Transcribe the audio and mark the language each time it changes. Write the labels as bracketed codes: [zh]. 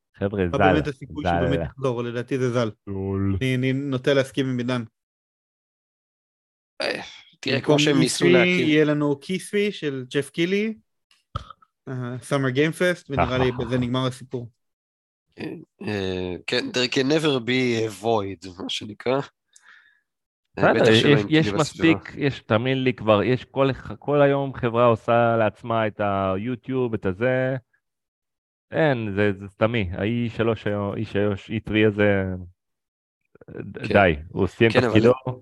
[he] חבר'ה, זל. באמת הסיכוי שהוא באמת יחזור, לדעתי זה זל. אני נוטה להסכים עם עידן. תראה, כמו שהם ניסו להקים. יהיה לנו כיסוי של ג'ף קילי, סאמר גיים פסט, ונראה לי בזה נגמר הסיפור. [en] כן, there can never be a void, [he] מה שנקרא. יש מספיק, יש, תאמין לי כבר, יש כל היום חברה עושה לעצמה את היוטיוב, את הזה, אין, זה סתמי, ה-E3, E3 הזה, די, הוא סיים תפקידו.